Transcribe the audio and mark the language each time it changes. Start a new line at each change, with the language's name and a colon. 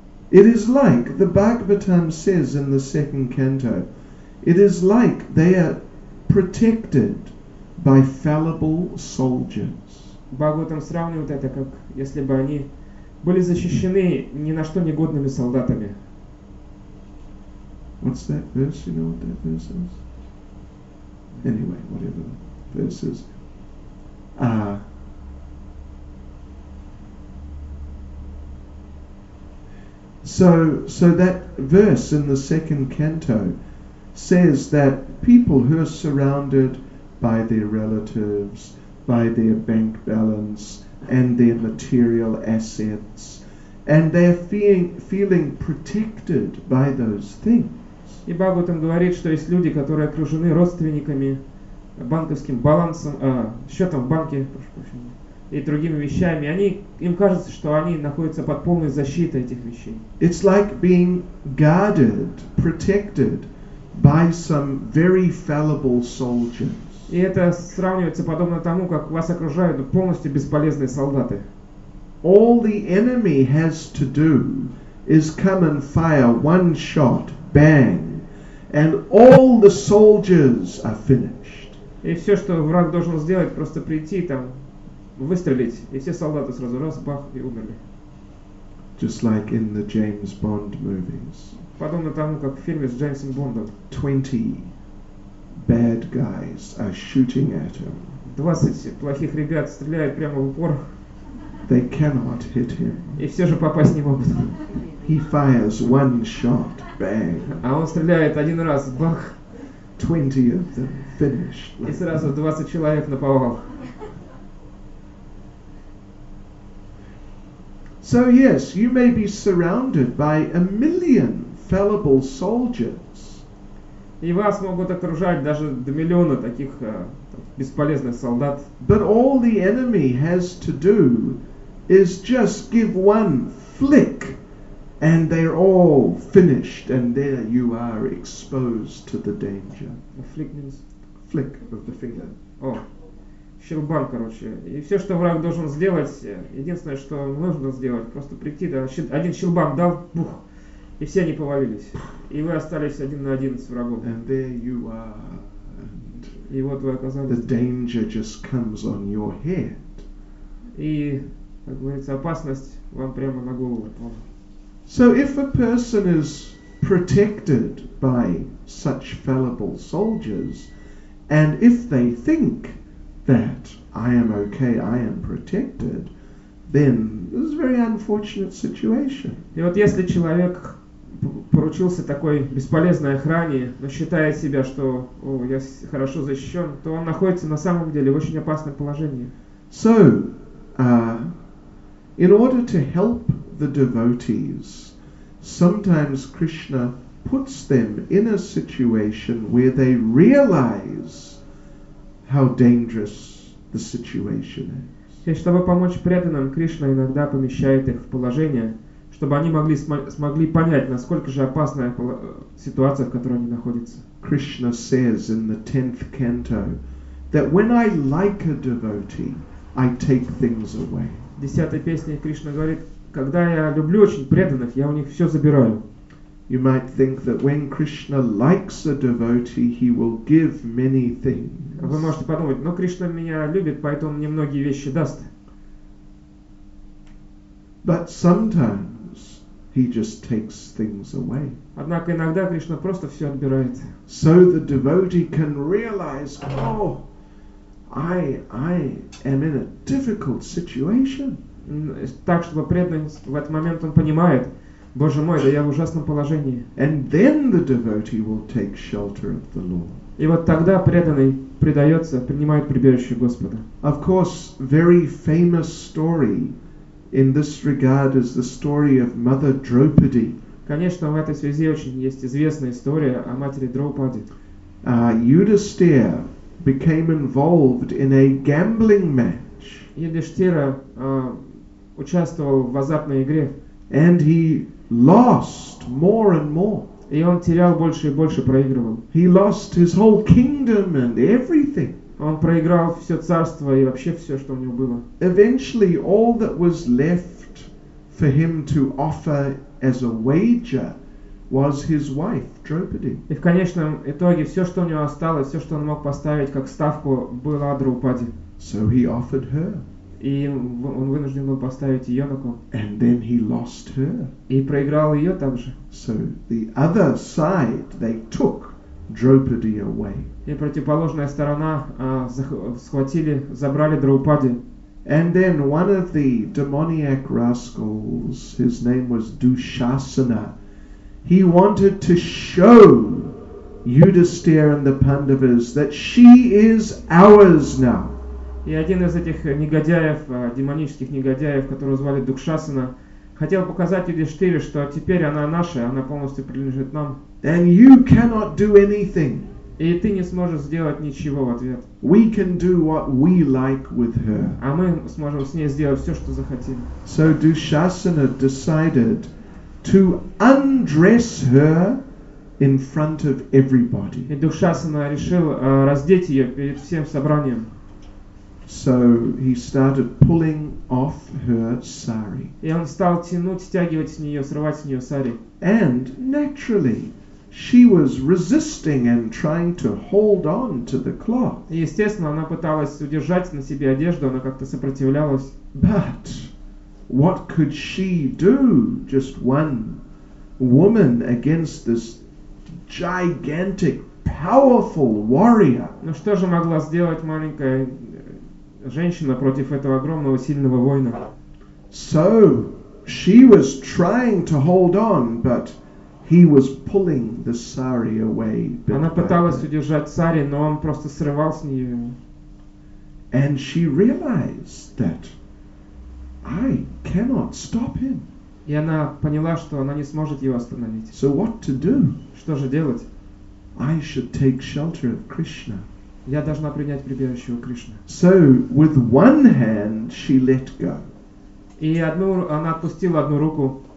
English: It is like the Bhagavatam says in the second canto, it is like they are protected by fallible soldiers.
Russian: Бхагаватам сравнивает это как если бы они были защищены ни на что негодными солдатами.
English: What's that verse? You know what that verse is? Anyway, whatever the verse is. So that verse in the second canto says that people who are surrounded by their relatives, by their bank balance, and their material assets, and they're feeling protected by those things.
Russian: И Бхагаватам говорит, что есть люди, которые окружены родственниками, банковским балансом, счетом в банке, прошу прощения, и другими вещами, им кажется, что они находятся под полной защитой этих вещей.
English: It's like being guarded, protected by some very fallible soldiers.
Russian: И это сравнивается подобно тому, как вас окружают полностью бесполезные солдаты.
English: All the enemy has to do is come and fire one shot, bang, and all the soldiers are finished.
Russian: И все, что враг должен сделать, просто прийти там, выстрелить, и все солдаты сразу раз, бах, и умерли.
English: Just like in the James Bond movies.
Russian: Подобно тому, как в фильме с Джеймсом Бондом.
English: 20 bad guys are shooting at him.
Russian: 20 плохих ребят стреляют прямо в упор.
English: They cannot hit him.
Russian: И все же попасть не могут.
English: He fires one shot, bang.
Russian: А он стреляет один раз, бах.
English: 20 of them finished.
Russian: И сразу 20 человек наповал.
English: So yes, you may be surrounded by a million fallible soldiers.
Russian: И вас могут окружать даже до миллиона таких бесполезных солдат.
English: But all the enemy has to do is just give one flick and they're all finished and there you are exposed to the danger. A flick means? Flick of the finger.
Russian: О, щелбан, короче. И все, что враг должен сделать, единственное, что нужно сделать, просто прийти, да, один щелбан дал, бух. И все они повалились. И вы остались один на один с врагом.
English: And there you are, and
Russian: и вот вы оказались.
English: The danger just comes on your head.
Russian: И, как говорится, опасность вам прямо на голову.
English: So if a person is protected by such fallible soldiers, and if they think that I am okay, I am protected, then this is a very unfortunate situation.
Russian: И вот если человек поручился такой бесполезной охране, но считая себя, что о, я хорошо защищен, то он находится на самом деле в очень опасном положении.
English: So, in order to help the devotees, sometimes Krishna puts them in a situation where they realize how dangerous the situation is.
Russian: И чтобы помочь преданным, Кришна иногда помещает их в положение, чтобы они смогли понять, насколько же опасная ситуация, в которой они находятся.
English: Krishna says in the 10th canto that when I like a devotee, I take things away.
Russian: В 10-й песне Кришна говорит, когда я люблю очень преданных, я у них все забираю.
English: You might think that when Krishna likes a devotee, he will give many things.
Russian: Вы можете подумать, но Кришна меня любит, поэтому мне многие вещи даст.
English: But sometimes He just takes things away.
Russian: Однако иногда Кришна просто все отбирает.
English: So the devotee can realize, oh, I am in a difficult situation.
Russian: Так чтобы преданный в этот момент он понимает, Боже мой, да я в ужасном положении.
English: And then the devotee will take shelter of the Lord.
Russian: И вот тогда преданный предается, принимает прибежище Господа.
English: Of course, very famous story in this regard is the story of Mother Draupadi.
Russian: Конечно, в этой связи очень есть известная история о матери Драупаде.
English: Юдиштхира became involved in a gambling match.
Russian: Юдиштхира участвовал в азартной игре.
English: And he lost more and more.
Russian: И он терял больше и больше, проигрывал.
English: He lost his whole kingdom and everything.
Russian: Он проиграл все царство и вообще все, что у него было.
English: Eventually, all that was left for him to offer as a wager was his wife, Draupadi.
Russian: И в конечном итоге все, что у него осталось, все, что он мог поставить как ставку, была Драупади.
English: So he offered her.
Russian: И он вынужден был поставить ее на кон.
English: And then he lost her.
Russian: И проиграл ее также.
English: So the other side, they took Draupadi away.
Russian: И противоположная сторона схватили, забрали Драупади.
English: And then one of the demoniac rascals, his name was Dushasana, he wanted to show Yudhisthira and the Pandavas that she is ours now.
Russian: И один из этих негодяев, демонических негодяев, которого звали Дукшасана, хотел показать Юдиштхире, что теперь она наша, она полностью принадлежит нам.
English: And you cannot do anything.
Russian: И ты не сможешь сделать ничего в ответ.
English: We can do what we like with her.
Russian: А мы сможем с ней сделать все, что захотим.
English: So Dukshasana decided to undress her in front of everybody.
Russian: И Дукшасана решил раздеть ее перед всем собранием.
English: So he started pulling off her sari.
Russian: И он стал тянуть, стягивать с нее, срывать с нее сари.
English: And naturally, she was resisting and trying to hold on to the cloth.
Russian: И естественно, она пыталась удержать на себе одежду, она как-то сопротивлялась.
English: But what could she do, just one woman against this gigantic, powerful warrior?
Russian: Ну что же могла сделать маленькая женщина против этого огромного сильного воина?
English: So she was trying to hold on, but he was pulling the sari away.
Russian: Она пыталась удержать сари, но он просто срывал с нее.
English: And she realized that I cannot stop him.
Russian: И она поняла, что она не сможет его остановить.
English: So what to do?
Russian: Что же делать?
English: I should take shelter of Krishna.
Russian: Я должна принять прибежище у Кришны.
English: So with one hand she let go.
Russian: И одну она отпустила одну руку.